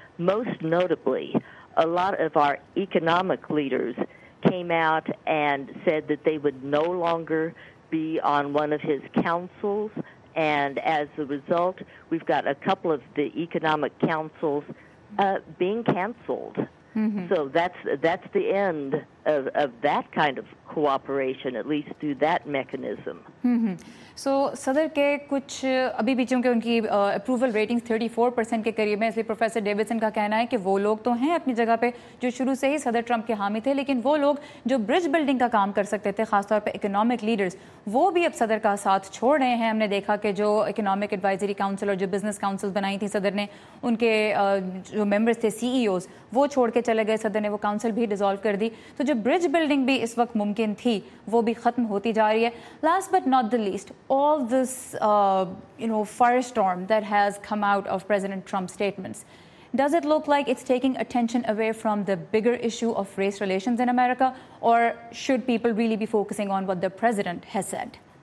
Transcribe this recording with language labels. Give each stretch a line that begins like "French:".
English: Most notably, a lot of our economic leaders came out and said that they would no longer be on one of his councils, and as a result, we've got a couple of the economic councils being canceled. Mm-hmm. So that's the end of that kind of cooperation, at least through that mechanism.
Urdu: So صدر کے کچھ ابھی بھی چونکہ ان کی approval rating 34% کے قریب ہے, اس لیے پروفیسر ڈیوڈسن کا کہنا ہے کہ وہ لوگ تو ہیں اپنی جگہ پہ جو شروع سے ہی صدر ٹرمپ کے حامی تھے, لیکن وہ لوگ جو برج بلڈنگ کا کام کر سکتے تھے, خاص طور پہ اکنامک لیڈرز, وہ بھی اب صدر کا ساتھ چھوڑ رہے ہیں. ہم نے دیکھا کہ جو اکنامک ایڈوائزری کاؤنسل اور جو بزنس کاؤنسل بنائی تھیں صدر نے, ان کے جو ممبرس تھے سی ای اوز, وہ چھوڑ کے چلے گئے صدر نے, وہ کاؤنسل بھی ڈیزالو کر دی. تو جو برج بلڈنگ بھی اس وقت ممکن تھی وہ بھی ختم ہوتی جا رہی ہے.
English: Last but not the least, all this firestorm that has come out of President Trump's statements, does it look like it's taking attention away from the bigger issue of race relations in America, or should people really be focusing on what the president has said?